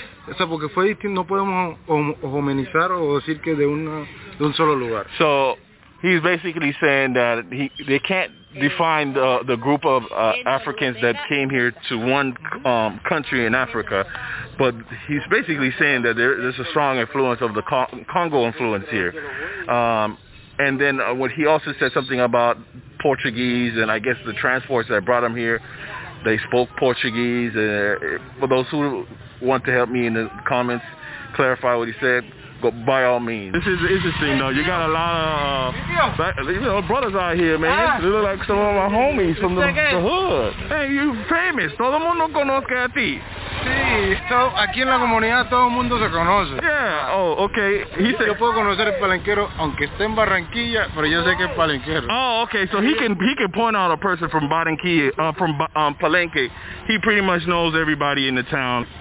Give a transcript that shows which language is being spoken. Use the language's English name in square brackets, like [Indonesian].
[Spanish] O sea, porque fue distinto, no podemos homenizar o decir que de un solo lugar. [English] So, he's basically saying that they can't define the group of Africans that came here to one country in Africa. But he's basically saying that there's a strong influence of the Congo influence here. And then what he also said something about Portuguese and I guess the transports that brought him here. They spoke Portuguese. For those who want to help me in the comments clarify what he said, go by all means. This is interesting, though. You got a lot of brothers out here, man. They look like some of my homies from the hood. Hey, you famous. [Spanish] Todo el mundo conoce a ti. Sí, aquí en la comunidad todo el mundo se conoce. [English] Yeah, okay. He said, [Spanish] yo puedo conocer el palenquero aunque esté en Barranquilla, pero yo sé que es palenquero. [English] Oh, okay, so he can point out a person from Barranquilla, from Palenque. He pretty much knows everybody in the town.